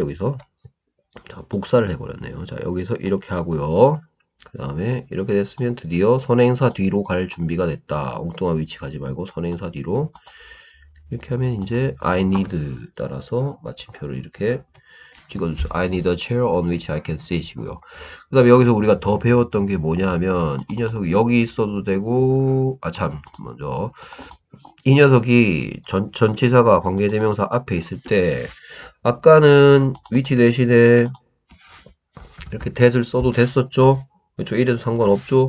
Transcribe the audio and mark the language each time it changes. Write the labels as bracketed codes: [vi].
[ko] 여기서 자, 복사를 해버렸네요. 자, 여기서 이렇게 하고요. 그 다음에 이렇게 됐으면 드디어 선행사 뒤로 갈 준비가 됐다. 엉뚱한 위치 가지 말고 선행사 뒤로. 이렇게 하면 이제 [en] I need [ko] 따라서 마침표를 이렇게 찍어줄 수. [en] I need a chair on which I can sit이고요. [ko] 그 다음에 여기서 우리가 더 배웠던 게 뭐냐 하면 이 녀석이 여기 있어도 되고, 아 참, 먼저 이 녀석이 전치사가 관계대명사 앞에 있을 때 아까는 위치 대신에 이렇게 that을 써도 됐었죠. 그렇죠. 이래도 상관없죠.